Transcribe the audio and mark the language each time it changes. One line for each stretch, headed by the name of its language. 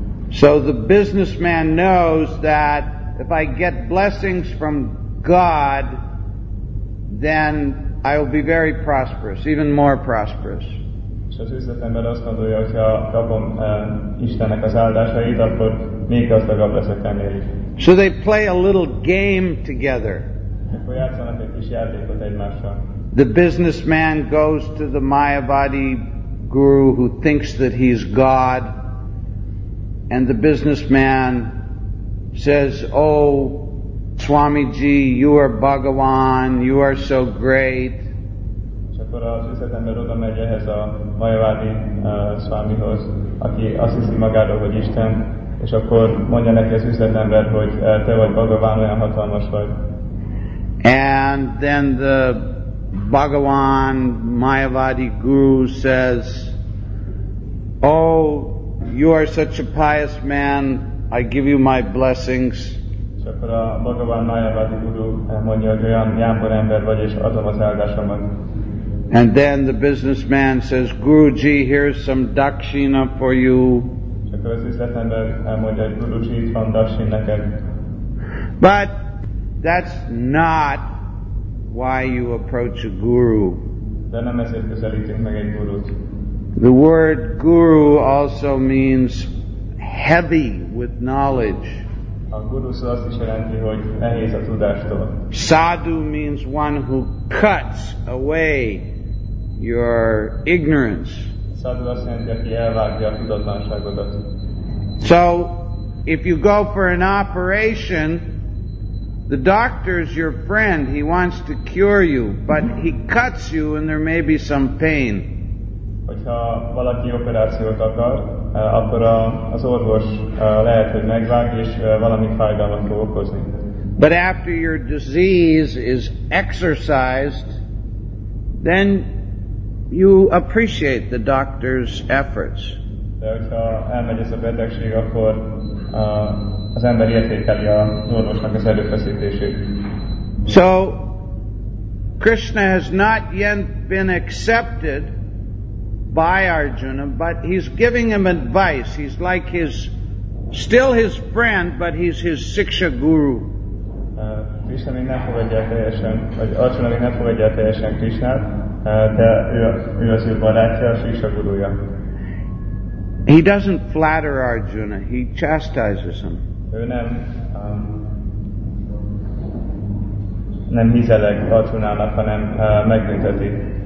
English: So the businessman knows that if I get blessings from God, then I will be very prosperous, even more prosperous.
Hungarian: Az üzletember azt gondolja, hogy ha kapom Istennek az áldásait, akkor még gazdagabb leszek ennél is.
English: So they play a little game together.
Hungarian: Akkor játszanak egy kis játékot egymással.
English: The businessman goes to the Mayavadi guru who thinks that he's God, and the businessman says, oh, Swamiji, you are Bhagavan, you are so great.
Hungarian: Akkor az üzletember oda megy ehhez a Mayavadi Swamihoz, aki azt hiszi magáról, hogy Isten, és akkor mondja neki az üzletember, hogy te vagy Bhagavan, olyan hatalmas vagy.
English: And then the Bhagavan Mayavadi guru says, oh, you are such a pious man, I give you my blessings.
Hungarian: És akkor a Bhagavan Mayavadi Guru mondja, hogy olyan jámbor ember vagy, és adom az áldása meg.
English: And then the businessman says, Guruji, here's some dakshina for you.
Hungarian: Akkor az üzletember mondja, hogy Guruji, itt van dakshin neked.
English: But that's not why you approach a guru.
Hungarian: De nem ezért közelítünk meg egy gurut.
English: The word guru also means heavy with knowledge.
Hungarian: A guru szó azt is jelenti, hogy nehéz a tudástól.
English: Sadhu means one who cuts away your ignorance.
Hungarian: Sadhu azt jelenti, aki elvágja a tudatlanságodat.
English: So, if you go for an operation, the doctor's your friend, he wants to cure you, but he cuts you and there may be some pain.
Hungarian: Hogyha valaki operációt akar, akkor az orvos lehet, hogy megvág és valami fájdalmat fog okozni.
English: But after your disease is exercised, then you appreciate the doctor's efforts.
Hungarian: De hogyha elmegy ez a betegség, akkor az ember értékeli az orvosnak az erőfeszítését.
English: So, Krishna has not yet been accepted by Arjuna, but he's giving him advice. He's like his, still his friend, but he's his siksha guru.
Hungarian: Krishna még nem fogadja teljesen, vagy Arjuna még nem fogadja teljesen Krishnát, de ő az ő barátja, a siksha gurúja.
English: He doesn't flatter Arjuna, he chastises him.
Hungarian: Ő nem nem hízeleg Arjunának, hanem megbünteti.